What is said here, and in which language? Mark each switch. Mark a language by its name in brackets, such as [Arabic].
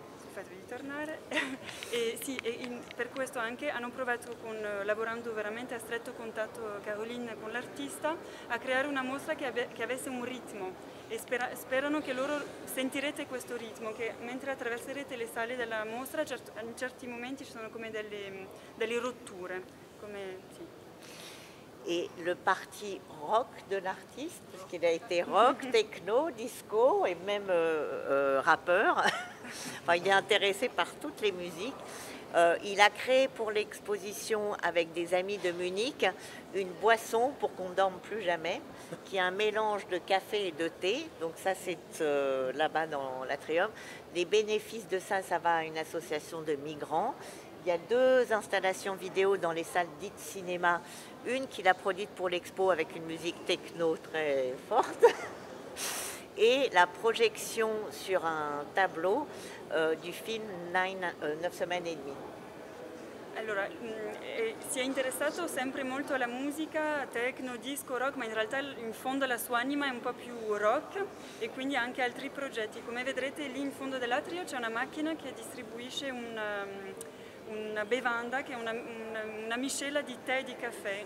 [Italian] aspetto di tornare. E sì, e in, per questo anche hanno provato, con, lavorando veramente a stretto contatto Caroline con l'artista, a creare una mostra che avesse un ritmo. E sperano che loro sentirete questo ritmo, che mentre attraverserete le sale della mostra, in certi momenti ci sono come delle rotture. Come, sì. [French] Et le parti rock de l'artiste, parce qu'il a été rock, techno, disco et même rappeur, enfin, il est intéressé par toutes les musiques. Il a créé pour l'exposition avec des amis de Munich une boisson pour qu'on ne dorme plus jamais, qui est un mélange de café et de thé. Donc ça, c'est là-bas dans l'atrium. Les bénéfices de ça, ça va à une association de migrants. Il y a deux installations vidéo dans les salles dites cinéma. Une qu'il a produite pour l'expo avec une musique techno très forte. Et la projection sur un tableau du film 9 semaines et demie. [Italian] Allora, si è interessato sempre molto alla musica, techno, disco, rock, ma in realtà in fondo la sua anima è un po' più rock e quindi anche altri progetti. Come vedrete lì in fondo dell'atrio c'è una macchina che distribuisce una bevanda, che è una miscela di tè e di caffè.